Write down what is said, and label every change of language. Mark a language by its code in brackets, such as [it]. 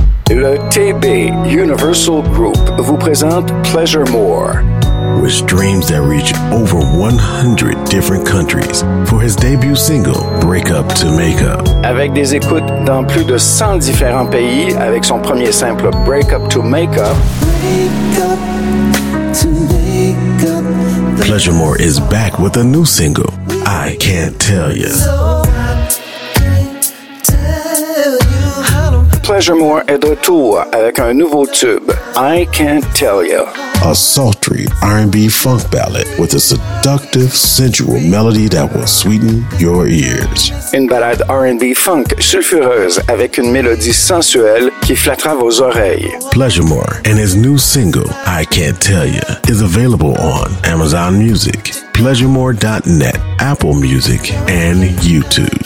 [fr] Le TB Universal Group vous présente Pleasure More. [en] With streams that reach over 100 different countries for his debut single, Break Up to Make Up. [fr] Avec des écoutes dans plus de 100 différents pays, avec son premier simple, Break Up to Make Up. [en] Break up to make up. Pleasure More is back with a new single, I Can't Tell You. [fr] Pleasure More est de retour avec un nouveau tube, I Can't Tell You. [en] A sultry R&B funk ballad with a seductive, sensual melody that will sweeten your ears. [fr] Une ballade R&B funk sulfureuse avec une mélodie sensuelle qui flattera vos oreilles. [en] Pleasure More and his new single, I Can't Tell You, is available on Amazon Music, PleasureMore.net, Apple Music, and YouTube.